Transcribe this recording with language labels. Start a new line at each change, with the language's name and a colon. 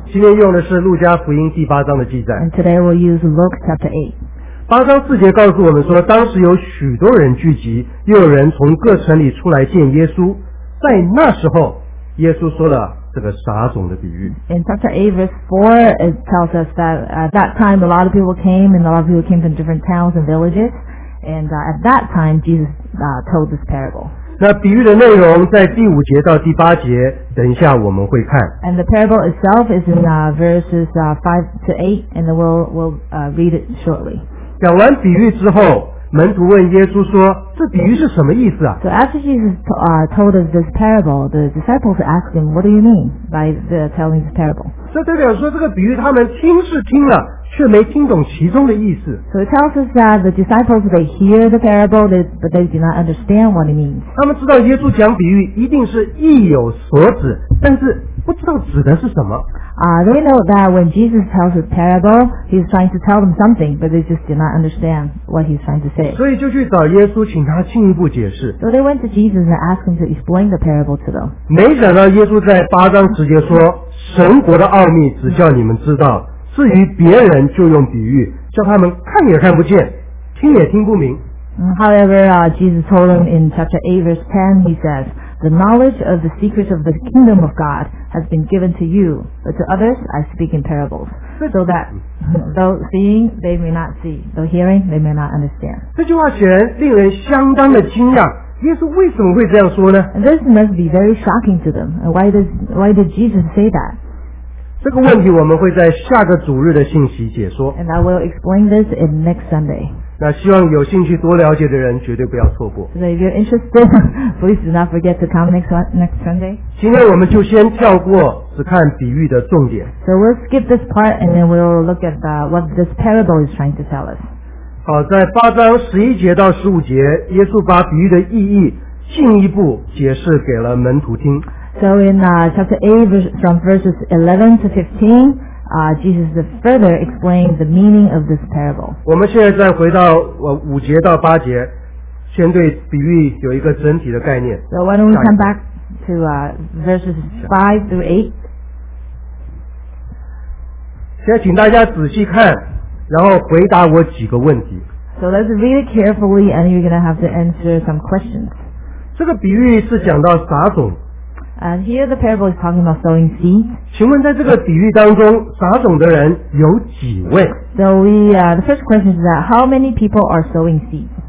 Chinese: 今天用的是路加福音第8章的记载。
English: And today we'll use Luke chapter 8.
Chinese: 8章4节告诉我们说，当时有许多人聚集，又有人从各城里出来见耶稣。在那时候，耶稣说了这个撒种的比喻。
English: In chapter 8 verse 4 it tells us that at that time a lot of people came and a lot of people came from different towns and villages and at that time Jesus told this parable.
Chinese: 那比喻的内容在第五节到第八节等一下我们会看。
English: And the parable itself is in verses 5-8 and we'll read it shortly.
Chinese: 讲完比喻之后门徒问耶稣说这比喻是什么意思啊
English: So after Jesus told us this parable the disciples asked him what do you mean by the telling this parable
Chinese: 这代表说这个比喻他们听是听了却没听懂其中的意思
English: So it tells us that the disciples they hear the parable but they do not understand what it means
Chinese: 他们知道耶稣讲比喻一定是意有所指但是不知道指的是什么
English: They know that when Jesus tells a parable he's trying to tell them something but they just do not understand what he's trying to say
Chinese: 所以就去找耶稣请他进一步解释
English: So they went to Jesus and asked him to explain the parable to them
Chinese: 没想到耶稣在八章直接说神国的奥秘只叫你们知道至于别人就用比喻叫他们看也看不见听也听不明
English: However, Jesus told them in chapter 8 verse 10 he says the knowledge of the secrets of the kingdom of God has been given to you but to others I speak in parables so that though seeing they may not see though hearing they may not understand
Chinese: 这句话显然令人相当的惊讶耶稣为什么会这样说呢
English: This must be very shocking to them why did Jesus say that
Chinese: 这个问题我们会在下个主日的信息解说
English: And I will explain this in next Sunday
Chinese: 那希望有兴趣多了解的人绝对不要错过
English: So if you're interested please do not forget to come next Sunday
Chinese: 今天我们就先跳过只看比喻的重点
English: So we'll skip this part and then we'll look at what this parable is trying to tell us
Chinese: 好在八章十一节到十五节耶稣把比喻的意义进一步解释给了门徒听
English: So in chapter 8 from verses 11-15, Jesus further explained the meaning of this parable.
Chinese: 我们现在再回到五节到八节，先对比喻有一个整体的概念。
English: So why don't we come back to verses 5-8?
Chinese: 现在请大家仔细看，然后回答我几个问题。
English: So let's read it carefully and you're going to have to answer some questions.
Chinese: 这个比喻是讲到撒种。
English: And here the parable is talking about sowing seeds.
Chinese: 请问在这个比喻当中，撒种的人有几位？
English: So we, the first question is that how many people are sowing seeds?